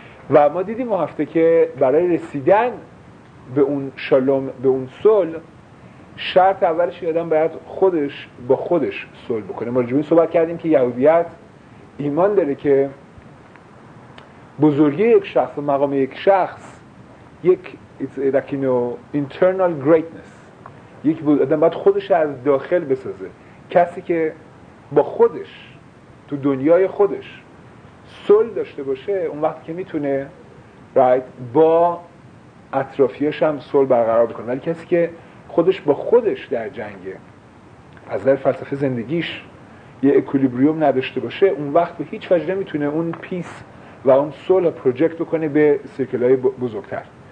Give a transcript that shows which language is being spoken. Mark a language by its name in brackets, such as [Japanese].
[Persian] و ما دیدیم هفته که برای رسیدن به اون شالوم, به اون صلح, شرط اولش آدم باید خودش با خودش صلح بکنه. ما راجع به این صحبت کردیم که یهودیت ایمان داره که بزرگی یک شخص و مقام یک شخص یک [English] it's like you know internal greatness. [Persian] یکی بود آدم باید خودش از داخل بسازه، کسی که با خودش تو دنیای خودش سول داشته باشه، اون وقت که میتونه [English] right [Persian] با اطرافیش هم سول برقرار بکنه. ولی کسی که خودش با خودش در جنگه، از نظر فلسفه زندگیش یه اکولیبریوم نداشته باشه، اون وقت به هیچ وجه نمیتونه اون پیس و اون سول رو پروجکت بکنه به سیرکلای بزرگتر.